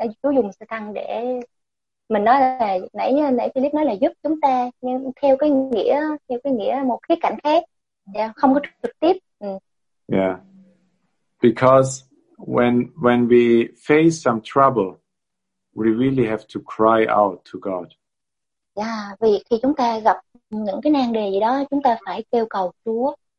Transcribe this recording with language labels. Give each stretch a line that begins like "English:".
Vietnamese: Chú dùng Satan để mình nói là nãy Philip nói là giúp chúng ta, nhưng theo cái nghĩa một khía cạnh khác, không có trực tiếp.
English: Yeah, because when we face some trouble, we really have to cry out to God.
Vietnamese: Yeah, vì khi chúng ta gặp những cái nan đề gì đó, chúng ta phải kêu cầu Chúa.